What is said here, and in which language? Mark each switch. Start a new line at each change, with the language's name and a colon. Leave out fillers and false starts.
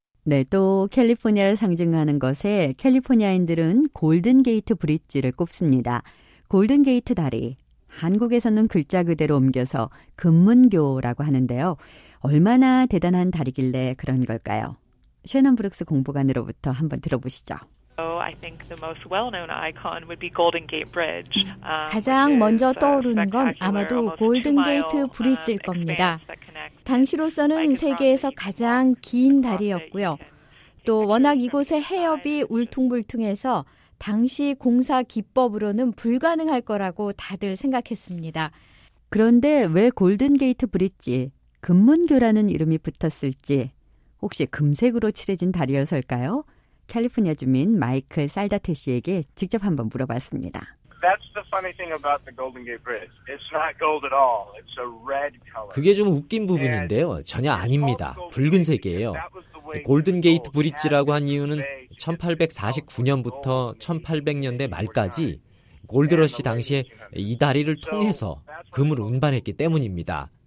Korean: 네, 또 캘리포니아를 상징하는 것에 캘리포니아인들은 골든게이트 브릿지를 꼽습니다. 골든게이트 다리, 한국에서는 글자 그대로 옮겨서 금문교라고 하는데요. 얼마나 대단한 다리길래 그런 걸까요? 쉐넌 브룩스 공보관으로부터 한번 들어보시죠.
English: I think the most well-known icon would be Golden Gate Bridge.
Korean: 가장 먼저 떠오르는 건 아마도 골든게이트 브릿지일 겁니다. 당시로서는 세계에서 가장 긴 다리였고요. 또 워낙 이곳의 해협이 울퉁불퉁해서 당시 공사 기법으로는 불가능할 거라고 다들 생각했습니다. 그런데 왜 골든게이트 브릿지, 금문교라는 이름이 붙었을지, 혹시 금색으로 칠해진 다리여서일까요? 캘리포니아 주민 마이클 살다테 씨에게 직접 한번 물어봤습니다.
English: That's the funny thing about the Golden Gate Bridge. It's not gold at all. It's a red color.
Korean: 그게 좀 웃긴 부분인데요. 전혀 아닙니다. 붉은색이에요. 골든 게이트 브릿지라고 한 이유는 1849년부터 1800년대 말까지 골드러시 당시에 이 다리를 통해서 금을 운반했기 때문입니다.